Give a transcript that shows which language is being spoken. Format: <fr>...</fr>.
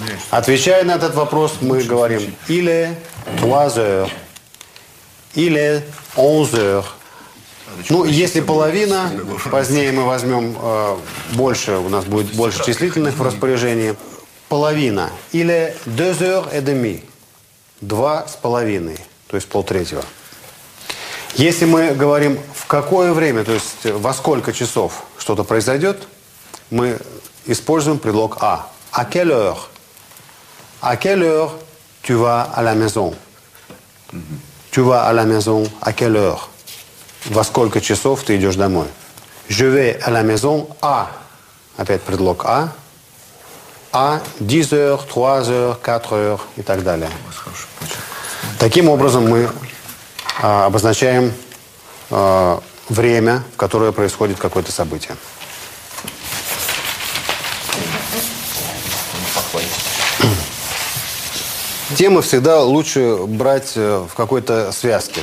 <ru>Отвечая на этот вопрос, мы говорим или</ru> <fr>3 heures,</fr> <ru>или</ru> <fr>11 heures.</fr> <ru>Ну, если половина, позднее мы возьмем больше, у нас будет больше числительных в распоряжении. Половина. Или</ru> <fr>2 heures et demi.</fr> <ru>2,5, то есть 1/3. Если мы говорим, в какое время, то есть во сколько часов что-то произойдет, мы используем предлог «а».</ru> <fr>«À quelle heure? À quelle heure tu vas à la maison? Tu vas à la maison à quelle heure?»</fr> <ru>«Во сколько часов ты идешь домой?»</ru> <fr>«Je vais à la maison à».</fr> <ru>Опять предлог «а».</ru> <fr>«À 10 heures, 3 heures, 4 heures»</fr> <ru>и так далее. Таким образом мы обозначаем время, в которое происходит какое-то событие. Темы всегда лучше брать в какой-то связке.</ru>